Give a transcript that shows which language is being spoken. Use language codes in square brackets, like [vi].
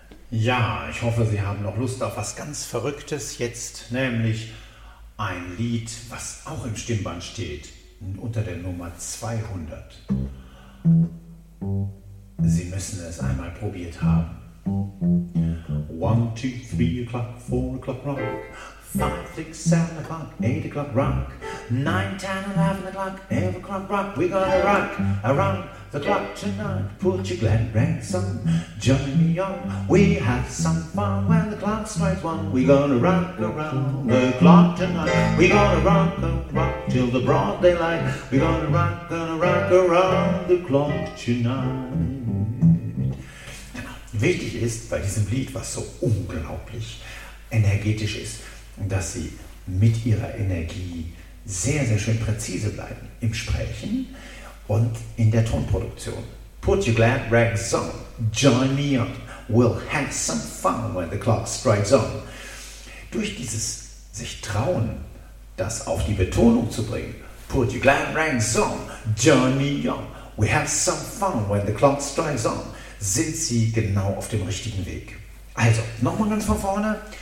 [de] Ja, ich hoffe, Sie haben noch Lust auf was ganz Verrücktes jetzt, nämlich ein Lied, was auch im Stimmband steht, unter der Nummer 200. Sie müssen es einmal probiert haben. [en] One, two, 3 o'clock, 4 o'clock rock. 5, 6, 7 o'clock, 8 o'clock rock. 9, 10, 11 o'clock, 11 o'clock rock. We're gonna rock around the clock tonight. Put your glad rags on, join me on. We have some fun when the clock strikes one. We're gonna rock around the clock tonight. We're gonna rock and rock till the broad daylight. We're gonna rock around the clock tonight. [de] Wichtig ist bei diesem Lied, was so unglaublich energetisch ist, dass sie mit ihrer Energie sehr, sehr schön präzise bleiben im Sprechen und in der Tonproduktion. [en] Put your glad rags on, join me on, we'll have some fun when the clock strikes on. [de] Durch dieses sich trauen, das auf die Betonung zu bringen, [en] put your glad rags on, join me on, we have some fun when the clock strikes on, [de] sind sie genau auf dem richtigen Weg. Also, nochmal ganz von vorne.